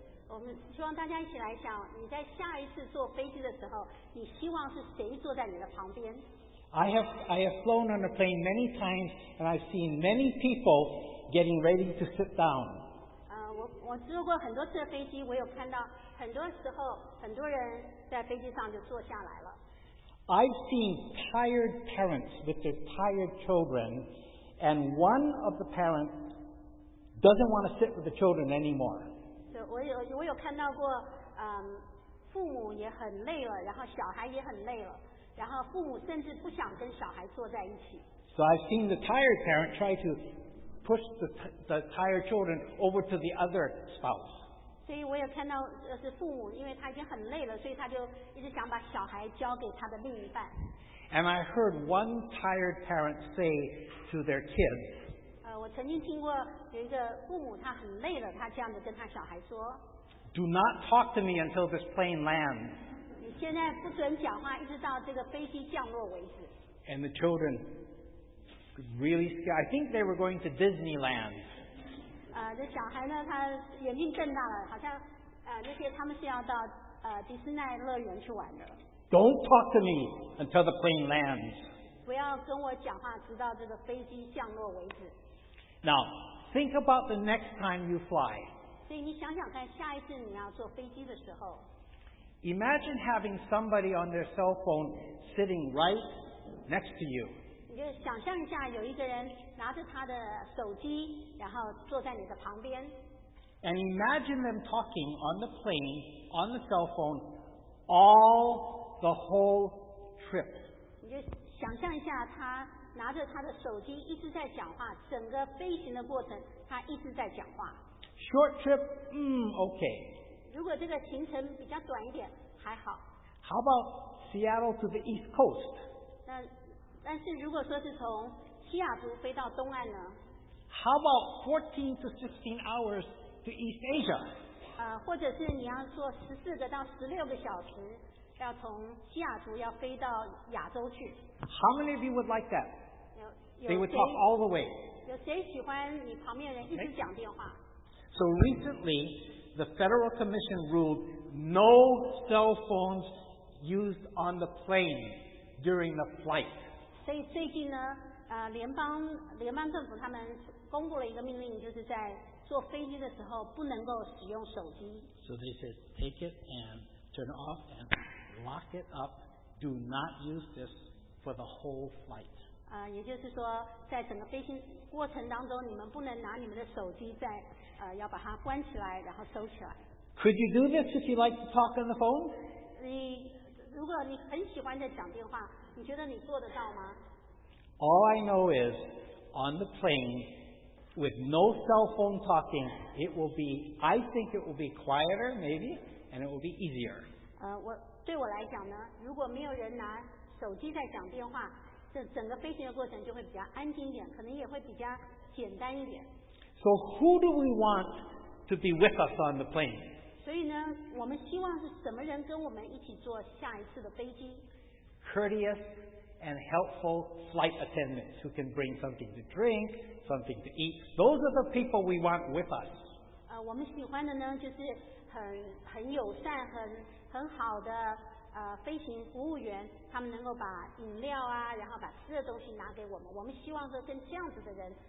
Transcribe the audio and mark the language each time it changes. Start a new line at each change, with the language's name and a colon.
Chinese: 我们希望大家一起来想，你在下一次坐飞机的时候，你希望是谁坐在你的旁边？
English: I have flown on a plane many times, and I've seen many people getting ready to sit down.
Chinese: 我坐过很多次的飞机，我有看到很多时候很多人在飞机上就坐下来了。
English: I've seen tired parents with their tired children, and one of the parents doesn't want to sit with the children anymore.
Chinese: 我有看到过，父母也很累了，然后小孩也很累了。然后父母甚至不想跟小孩坐在一起。
English: So I've seen the tired parent try to push the tired children over to the other spouse.
Chinese: 所以我也看到是父母，因为他已经很累了，所以他就一直想把小孩交给他的另一半。
English: And I heard one tired parent say to their kids.
Chinese: 我曾经听过有一个父母，他很累了，他这样子跟他小孩说。
English: Do not talk to me until this plane lands.
Chinese: 现在不准讲话，一直到这个飞机降落为止。
English: And the children really scared. I think they were going to Disneyland.
Chinese: 这小孩呢，他眼睛瞪大了，好像那些他们是要到迪士尼乐园去玩的。
English: Don't talk to me until the plane lands.
Chinese: 不要跟我讲话，直到这个飞机降落为止。
English: Now think about the next time you fly.
Chinese: 所以你想想看，下一次你要坐飞机的时候。
English: Imagine having somebody on their cell phone sitting right next to you.
Chinese: 你就想象一下，有一个人拿着他的手机，然后坐在你的旁边。
English: And imagine them talking on the plane, on the cell phone, all the whole trip.
Chinese: 你就想象一下，他拿着他的手机一直在讲话，整个飞行的过程他一直在讲话。
English: Short trip, okay.
Chinese: 如果这个行程比较短一点，还好。
English: How about Seattle to the East Coast?
Chinese: 但是如果说是从西雅图飞到东岸呢
English: ？How about 14 to 16 hours to East Asia? 或者是你要坐14-16个小时，要从西雅图要飞到亚洲去？How many of you would like that? They would talk all the way.
Chinese: 有谁喜欢你旁边人一直讲电话
English: ？So recently. The Federal Commission ruled no cell phones used on the plane during the flight.
Chinese: 所以最近呢，联邦政府他们公布了一个命令，就是在坐飞机的时候不能够使用手机。
English: So they said, take it and turn it off and lock it up. Do not use this for the whole flight.
Chinese: 也就是说，在整个飞行过程当中，你们不能拿你们的手机在。要把它关起来，然后收起来。
English: Could you do this if you like to talk on the phone?
Chinese: 你如果你很喜欢在讲电话，你觉得你做得到吗
English: ？All I know is, on the plane, with no cell phone talking, it will be. I think it will be quieter, maybe, and it will be easier.
Chinese: 对我来讲呢，如果没有人拿手机在讲电话，这整个飞行的过程就会比较安静一点，可能也会比较简单一点。
English: So who do we want to be with us on the plane?
Chinese: 所以呢，我们希望是什么人跟我们一起坐下一次的飞机
English: ？Courteous and helpful flight attendants who can bring something to drink, something to eat. Those are the people we want with us.
Chinese: 我们喜欢的呢，就是很友善、很好的飞行服务员，他们能够把饮料啊，然后把吃的东西拿给我们。我们希望说跟这样子的人。